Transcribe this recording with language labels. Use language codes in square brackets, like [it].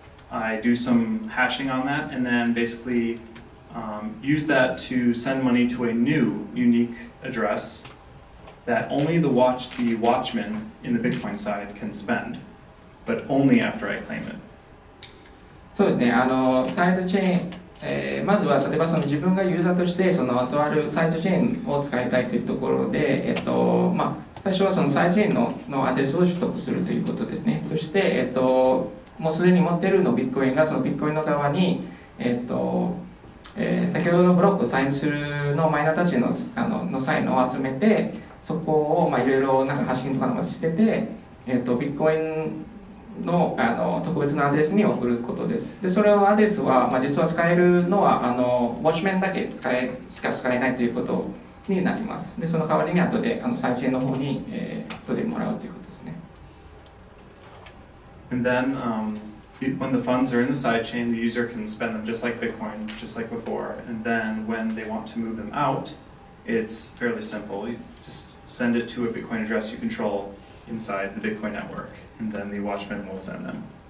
[en] I do some hashing on that and then basicallyuse that to send money to a new unique address that only the watchman in the Bitcoin side can spend, but only after I claim it. [ja] そうですね。あのサイドチェーン、まずは例えばその自分がユーザーとしてそのとあるサイドチェーンを使いたいというところで、まあ最初はそのサイドチェーンのアドレスを取得するということですね。そして、もうすでに持っているのビットコインがそのビットコインの側に、先ほどのブロックをサインするのマイナーたち のサインを集めてそこをいろいろ発信とかもしてて、ビットコイン の特別なアドレスに送ることです。でそれをアドレスは、まあ、実は使えるのはあのウォッチメンだけ しか使えないということになります。でその代わりに後であのサイチェーンの方に、後でもらうということですね。 [en] And then,When the funds are in the sidechain, the user can spend them just like bitcoins, just like before. And then when they want to move them out, it's fairly simple. You just send it to a bitcoin address you control inside the bitcoin network, and then the watchman will send them.